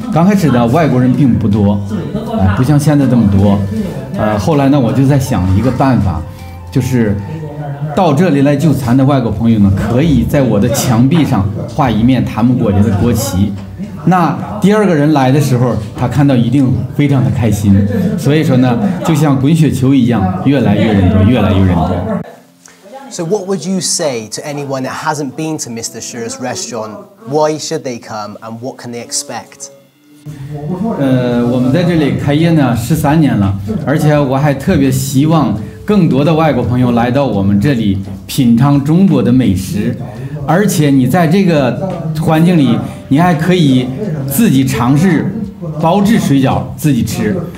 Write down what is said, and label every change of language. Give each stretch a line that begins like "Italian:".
Chinese: 刚开始的外国人并不多，不像现在这么多，后来呢我就在想一个办法，就是到这里来就餐的外国朋友呢可以在我的墙壁上画一面他们国家的国旗，那第二个人来的时候他看到一定非常的开心，所以说呢就像滚雪球一样越来越人多越来越人多。
English: So what would you say to anyone that hasn't been to Mr. Shu's restaurant? Why should they come and what can they expect?
Chinese: 我们在这里开业呢13年了，而且我还特别希望更多的外国朋友来到我们这里品尝中国的美食，而且你在这个环境里你还可以自己尝试包制水饺自己吃。